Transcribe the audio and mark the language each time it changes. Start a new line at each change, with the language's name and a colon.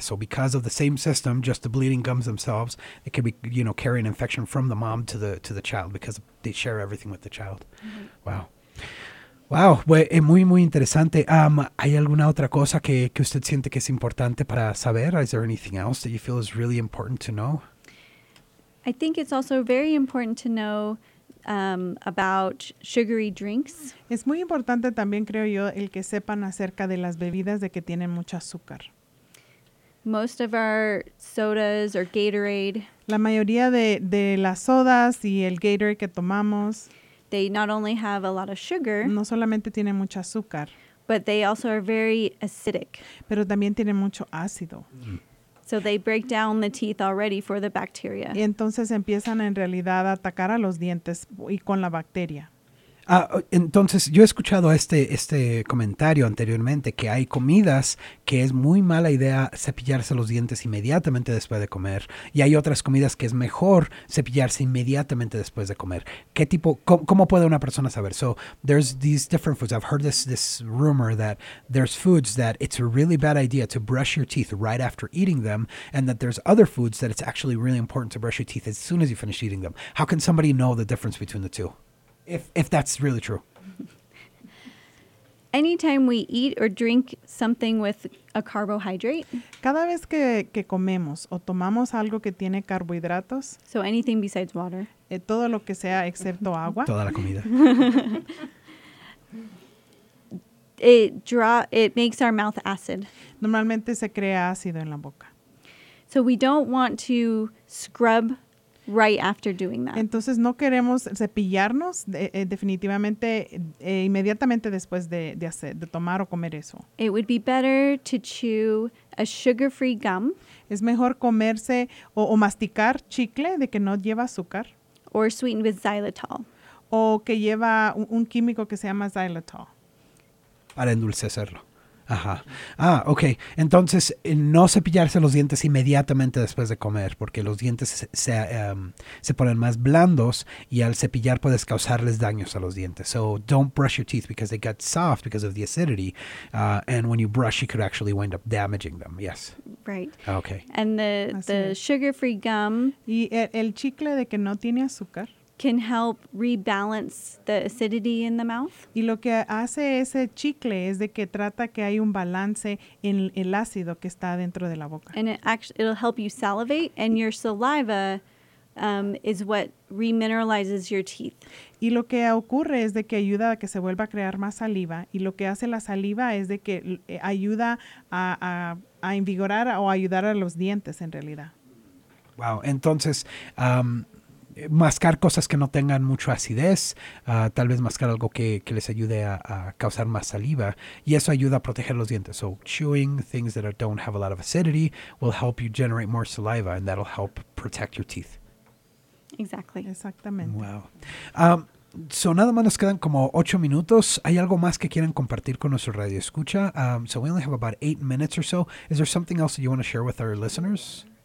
English: So, because of the same system, just the bleeding gums themselves, it can be, you know, carry an infection from the mom to the child because they share everything with the child.
Spanish: Mm-hmm. Wow. Wow, es muy, muy interesante. ¿Hay alguna otra cosa que usted siente que es importante para saber?
English: Is there anything else that you feel is really important to know? I think it's also very important to know about sugary drinks.
Spanish: Es muy importante también, creo yo, el que sepan acerca de las bebidas de que tienen mucho azúcar.
English: Most of our sodas or Gatorade.
Spanish: La mayoría de las sodas y el Gatorade que tomamos.
English: They not only have a lot of sugar,
Spanish: no solamente tienen mucho azúcar,
English: but they also are very acidic.
Spanish: Pero también tienen mucho ácido.
English: So they break down the teeth already for the bacteria.
Spanish: Y entonces empiezan en realidad a atacar a los dientes y con la bacteria. Entonces, yo he escuchado este comentario anteriormente, que hay comidas que es muy mala idea cepillarse los dientes inmediatamente después de comer, y hay otras comidas que es mejor cepillarse inmediatamente después de comer. ¿Qué tipo, cómo puede una persona saber?
English: So, there's these different foods. I've heard this rumor that there's foods that it's a really bad idea to brush your teeth right after eating them, and that there's other foods that it's actually really important to brush your teeth as soon as you finish eating them. How can somebody know the difference between the two? If that's really true. Anytime we eat or drink something with a carbohydrate.
Spanish: Cada vez que comemos o tomamos algo que tiene carbohidratos.
English: So anything besides water.
Spanish: Todo lo que sea excepto agua. Toda la comida.
English: It makes our mouth acid.
Spanish: Normalmente se crea ácido en la boca.
English: So we don't want to scrub right after doing that.
Spanish: Entonces no queremos cepillarnos definitivamente inmediatamente después de tomar o comer eso.
English: It would be better to chew a sugar-free gum.
Spanish: Es mejor comerse o masticar chicle de que no lleva azúcar.
English: Or sweetened with xylitol.
Spanish: O que lleva un químico que se llama xylitol. Para endulcecerlo. Ajá. Ah, okay. Entonces, no cepillarse los dientes inmediatamente después de comer, porque los dientes se ponen más blandos y al cepillar puedes causarles daños a los dientes.
English: So, don't brush your teeth because they get soft because of the acidity. And when you brush, you could actually wind up damaging them. Yes. Right. Okay. And the sugar-free gum.
Spanish: Y el chicle de que no tiene azúcar.
English: can help rebalance the acidity in the mouth.
Spanish: Y lo que hace ese chicle es de que trata que hay un balance en el ácido que está dentro de la boca.
English: And it'll help you salivate, and your saliva is what remineralizes your teeth.
Spanish: Y lo que ocurre es de que ayuda a que se vuelva a crear más saliva, y lo que hace la saliva es de que ayuda a invigorar o ayudar a los dientes en realidad. Wow, entonces mascar cosas que no tengan mucha acidez, tal vez mascar algo que les ayude a causar más saliva, y eso ayuda a proteger los dientes.
English: So chewing things that don't have a lot of acidity will help you generate more saliva, and that'll help protect your teeth. Exactly.
Spanish: Exactamente. Wow. So nada más nos quedan como 8 minutos. ¿Hay algo más que quieran compartir con nuestro radioescucha?
English: So we only have about 8 minutes or so. Is there something else that you want to share with our listeners?